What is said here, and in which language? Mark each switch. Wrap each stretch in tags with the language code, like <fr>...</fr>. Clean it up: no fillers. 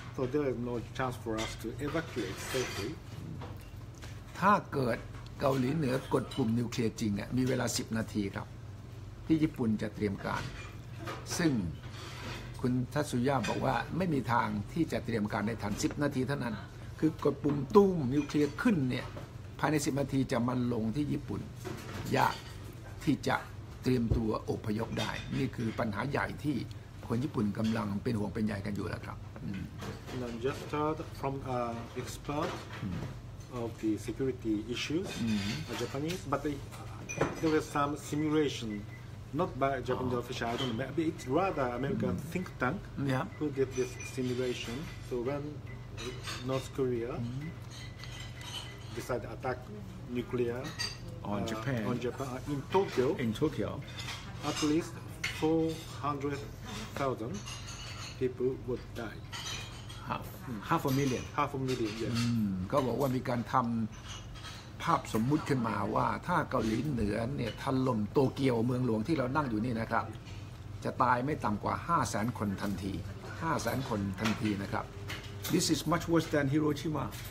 <en>so there is no chance for us to evacuate safely</en> <th>ถ้าเกิดเกาหลีเหนือกดปุ่มนิวเคลียร์จริงอ่ะมีเวลา10นาทีครับที่ญี่ปุ่นจะเตรียมการซึ่งคุณทัตสุยะบอกว่าไม่มีทางที่จะเตรียมการได้ทัน10นาทีเท่านั้นคือกดปุ่มตุ้มนิวเคลียร์ขึ้นเนี่ยภายใน10นาทีจะมันลงที่ญี่ปุ่นยากที่จะเตรียมตัวอพยพได้นี่คือปัญหาใหญ่ที่คนญี่ปุ่นกำลังเป็นห่วงเป็นใยกันอยู่แล้วครับ</th> <en>And just heard from a expert of the security issues a Japanese but there was some simulation not by Japanese official I don't know maybe it's rather American think tank yeah. who did this simulation so when North Korea decided to attack nuclearOn Japan, in Tokyo, at least 400,000 people would die. Half a million. Yes.</en> <th>ก็บอกว่ามีการทำภาพสมมุติขึ้นมาว่าถ้าเกาหลีเหนือเนี่ยถล่มโตเกียวเมืองหลวงที่เรานั่งอยู่นี่นะครับจะตายไม่ต่ำกว่า 500,000 คนทันที นะครับ</th> <en>This is much worse than Hiroshima.</en>